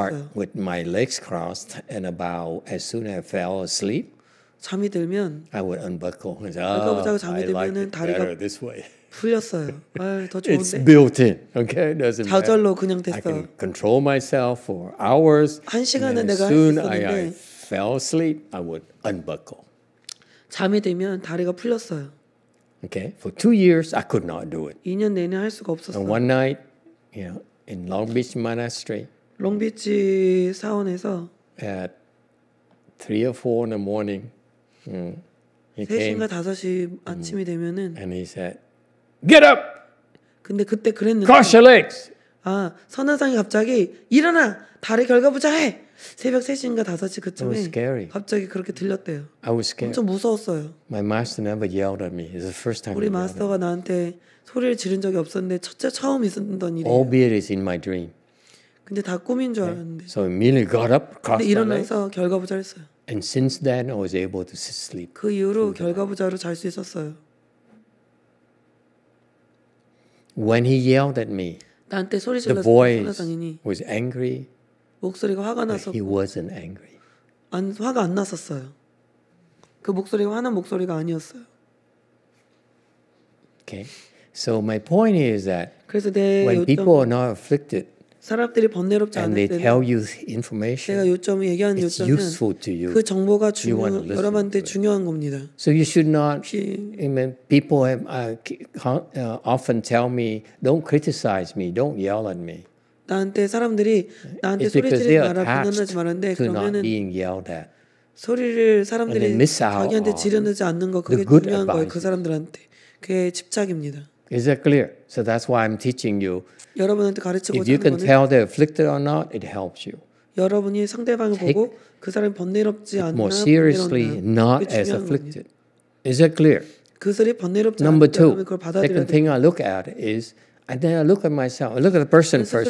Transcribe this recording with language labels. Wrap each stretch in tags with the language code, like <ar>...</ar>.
<en>I would start with my legs crossed, and about as soon as I fell asleep,</en> <ko>잠이 들면.</ko> <en>I would unbuckle and say, "Oh, I like it better this way."</en> <ko>풀렸어요. 아, 더 좋은데.</ko> <en>It's built in. Okay, it doesn't matter.</en> <ko>좌절로 그냥 됐어.</ko> <en>I can control myself for hours.</en> <ko>한 시간은 내가</ko> <en>soon I fell asleep. I would unbuckle.</en> <ko>잠이 들면 다리가 풀렸어요.</ko> <en>Okay, for 2 years I could not do it.</en> <ko>2년 내내 할 수가 없었어요.</ko> <en>And one night, you know, in Long Beach Monastery.</en> <ko>롱비치 사원에서.</ko> <en>At 3 or 4 in the morning.</en> <ko>3시인가 5시 아침이 되면은.</ko> <en>And he said. Get up.</en> <ko>근데 그때 그랬는데.</ko> <en>Cross your legs.</en> <ko>아, 선화상이 갑자기 일어나. 다리 결과부자 해. 새벽 3시인가 5시 그쯤에</ko> <en>It was scary.</en> <ko>갑자기 그렇게 들렸대요.</ko> <en>I was scared.</en> <ko>엄청 무서웠어요.</ko> <en>My master never yelled at me. It's the first time.</en> <ko>우리 마스터가 나한테 소리를 지른 적이 없었는데 첫째 처음 있었던 일이에요.</ko> <en>Albeit it's in my dream.</en> <ko>근데 다 꿈인 줄 알았는데.</ko> <en>So immediately got up, crossed my legs.</en> <ko>일어나서 결과부자 했어요.</ko> <en>And since then I was able to sleep.</en> <ko>그 이후로 결과부자로 잘 수 있었어요.</ko> <en>When he yelled at me,</en> <ko>나한테 소리 질렀어요.</ko> <en>The voice</en> <ko>목소리가 화가 나서.</ko> <en>He wasn't angry.</en> <ko>안 화가 안 났었어요. 그 목소리가 화난 목소리가 아니었어요.</ko> <en>Okay. So my point is that</en> <ko>그래서 내</ko> <en>when</en> <ko>요점,</ko> <en>people are not afflicted,</en> <ko>사람들이 번뇌롭지</ko> <en>and</en> <ko>않을 때,</ko> <en>and they tell you information,</en> <ko>내가 요점을 얘기한 요점은</ko> <en>it's useful to you.</en> <ko>그 정보가 중요한 여러분한테 중요한 겁니다.</ko> <en>So you should not. I mean, people have often tell me, don't criticize me, don't yell at me.</en> <ko>나한테 사람들이 나한테</ko> <en>it's</en> <ko>소리 지르지 마라, 비난하지 마라는데 그러면은</ko> <en>being yelled at.</en> <ko>소리를 사람들이 자기한테 지르지 않는 거 그게 중요한 거예요. 그 사람들한테 그게 집착입니다.</ko> <en>Is that clear? So that's why I'm teaching you.</en> <ko>여러분한테 가르치고자 하는</ko> <en>If you can tell they're afflicted or not, it helps you.</en> <ko>여러분이 상대방을 보고 그 사람이 번뇌롭지 않나</ko> <en>more seriously, not as afflicted.</en> <ko>겁니다.</ko> <en>Is that clear?</en> <ko>그 사람이 번뇌롭지</ko> <en>Number</en> <ko>않다 하면 그걸 받아들여야</ko> <en>Second thing I look at is, and then I look at myself. I look at the person first.</en>